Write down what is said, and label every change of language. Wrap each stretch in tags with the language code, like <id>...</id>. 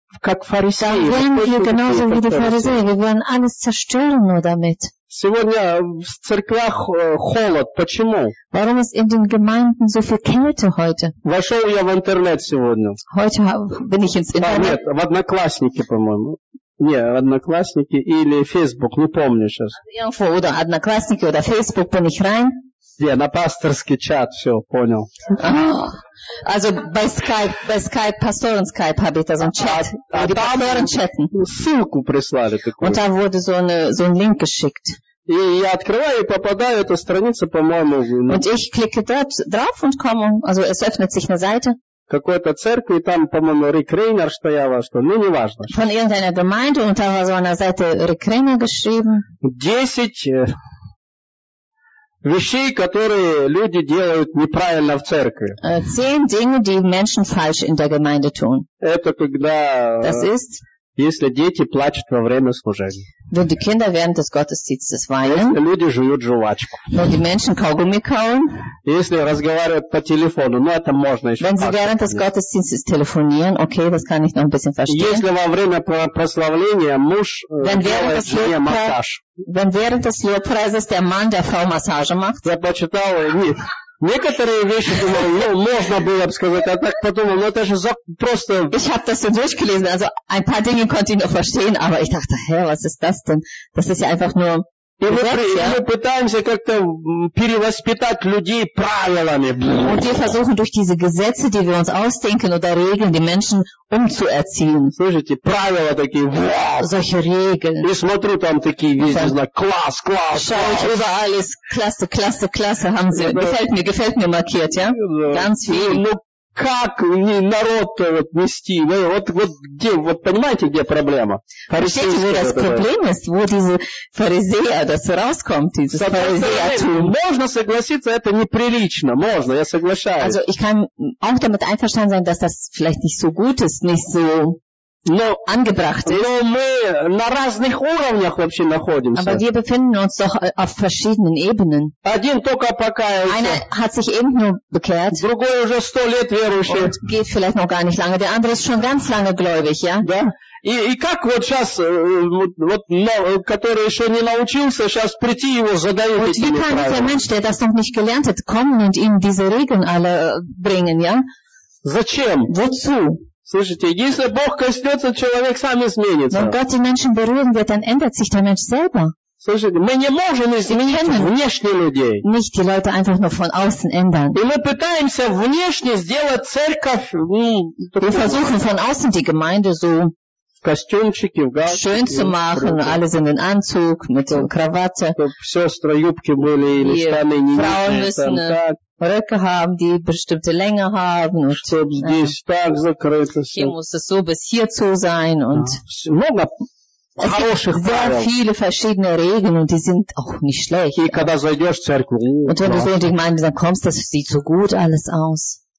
<ru>Как фарисеи,</ru> <de>dann werden wir genauso wie die Pharisäer. Wir werden alles zerstören nur damit.</de> <ru>Сегодня в церквях холод. Почему?</ru> <de>Warum ist in den Gemeinden so viel Kälte heute?</de> <ru>Вошел я в интернет сегодня.</ru> <de>Heute bin ich ins Internet.</de> <ru>Нет, в Одноклассники, по-моему. Не, Одноклассники или Facebook, не помню сейчас.</ru> <de>Info oder Одноклассники oder Facebook bin ich rein.</de> <ru>Не, на пасторский чат, все, понял.</ru> <de>Also bei Skype, Pastoren-Skype habe ich da so einen Chat. Die Pastoren chatten.</de> <ru>Ссылку прислали такую.</ru> <de>Und da wurde so ein Link geschickt.</de> <ru>И я открываю и попадаю эту страницу, по-моему.</ru> <de>Und ich klicke dort drauf und komme, also es öffnet sich eine Seite.</de> <ru>Какой-то церкви, и там, по-моему, Рик Рейнер стояло, что, ну, не важно.</ru> <de>Von irgendeiner Gemeinde und da war so eine Seite Рик Рейнер geschrieben.</de> <ru>10 вещей, которые люди делают неправильно в церкви.</ru> <de>10 Dinge, die Menschen falsch in der Gemeinde tun.</de> <ru>Это когда,</ru> <de>das ist,</de> <ru>если дети плачут во время служения.</ru> <de>Wenn die Kinder während des Gottesdienstes weinen.</de> <ru>Если люди жуют жвачку.</ru> <de>Wenn die Menschen Kaugummi kauen.</de> <ru>Если разговаривают по телефону, ну это можно еще.</ru> <de>Wenn sie während des Gottesdienstes telefonieren, okay, das kann ich noch ein bisschen verstehen.</de> <ru>Если во время прославления муж делает жене массаж.</ru> <de>Wenn während des Lobpreises der Mann der Frau Massage macht.</de> <ru>Я почитал, нет. Некоторые вещи, думаю, ну, можно было бы сказать, а так подумал, ну, это же просто...</ru> <de>Ich habe das so durchgelesen, also ein paar Dinge konnte ich noch verstehen, aber ich dachte, hä, was ist das denn? Das ist ja einfach nur...</de> <ru>Мы пытаемся как-то перевоспитать людей правилами.</ru> <de>Und wir versuchen durch diese Gesetze, die wir uns ausdenken oder Regeln, die Menschen umzuerziehen.</de> <ru>Слышите, правила такие, вау!</ru> <de>Solche Regeln.</de> <ru>И смотрю, там такие, видите, знак, класс, класс, класс.</ru> <de>Schau ich überall, ist klasse, klasse, klasse, haben sie, gefällt mir markiert, ja? Ganz viel.</de> <ru>Как народ-то вот нести? Ну, вот где, вот понимаете, где проблема? Фарисейская. Видите, где проблема, где эти фаризеи, это</ru> <de>rauskommt,</de> <ru>эти фаризеи. Можно согласиться, это неприлично, можно, я соглашаюсь.</ru> <de>Also, ich kann auch damit einverstanden sein, dass das vielleicht nicht so gut ist, nicht so angebracht ist.</de> <ru>Но мы на разных уровнях вообще находимся.</ru> <de>Aber wir befinden uns doch auf verschiedenen Ebenen.</de> <ru>Один только покаялся.</ru> <de>Einer hat sich eben nur bekehrt.</de> <ru>Другой уже 100 лет верующий.</ru> <de>Und geht vielleicht noch gar nicht lange. Der andere ist schon ganz lange gläubig, ja?</de> <ru>Да. И как вот сейчас, вот, который еще не научился, сейчас прийти его задавить этими правилами?</ru> <de>Und wie kann dieser Mensch, der das noch nicht gelernt hat, kommen und ihm diese Regeln alle bringen, ja?</de> <ru>Зачем?</ru> <de>Wozu?</de> <ru>Слышите, если Бог коснется, человек сам изменится.</ru> <de>Wenn Gott die Menschen berühren wird, dann ändert sich der Mensch selber.</de> <ru>Слышите, мы не можем изменить внешне людей.</ru> <de>Nicht die Leute einfach nur von außen ändern.</de> <ru>И мы пытаемся внешне сделать церковь...</ru> <de>Wir versuchen von außen die Gemeinde so...</de> <ru>Костюмчики, в галстуке.</ru> <de>Schön zu machen, alle sind in Anzug, mit so Krawatte.</de> <ru>Чтобы сестры юбки были или штаны не нужны.</ru> <de>Röcke haben, die bestimmte Länge haben. Und, hier muss es so bis hier zu sein. Und ja. Es gibt sehr viele verschiedene Regeln und die sind auch nicht schlecht. Und, ja. Und wenn du so in die Gemeinde dann kommst, das sieht so gut alles aus.</de>